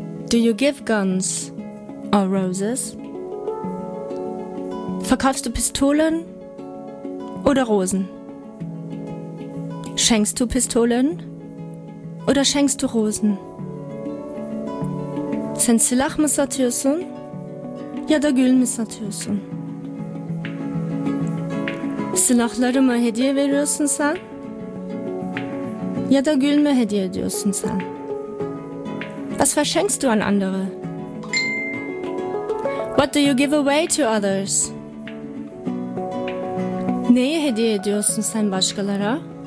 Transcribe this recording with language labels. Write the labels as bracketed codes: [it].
[en] Do you give guns or roses? [de] Verkaufst du Pistolen oder Rosen? Schenkst du Pistolen oder schenkst du Rosen? [tr] Sen silah mı satıyorsun ya da gül mü satıyorsun? Silahları mı hediye veriyorsun sen ya da gül mü hediye ediyorsun sen? [de] Was verschenkst du an andere? [en] What do you give away to others? [tr] Neyi hediye ediyorsun sen başkalara?